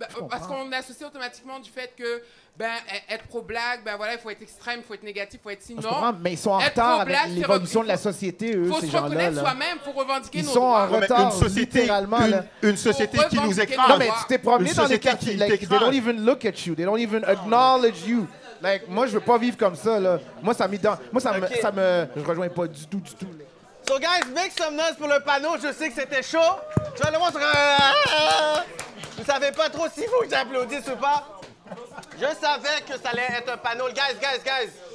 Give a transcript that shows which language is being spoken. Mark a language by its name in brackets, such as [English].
[French] Parce qu'on associe automatiquement du fait que ben être pro-black, ben voilà, il faut être extrême, il faut être négatif, il faut être sinon. Je comprends, mais ils sont en retard avec l'évolution de la société, eux, ces gens-là. Il faut se reconnaître soi-même pour revendiquer nos droits. Ils sont en retard, une société, littéralement. Une société qui nous écrase. Non, mais tu t'es promené dans les quartiers. [English] They don't even look at you. They don't even acknowledge you. [French] Like, moi, je veux pas vivre comme ça, là. Moi, ça m'est dans... Moi, ça me... Je rejoins pas du tout, là. [English] So guys, make some noise [French] pour le panneau. Je sais que c'était chaud. Tu vas le voir sur un... Vous savez pas trop si vous applaudissez ou pas. Je savais que ça allait être un panneau. Guys.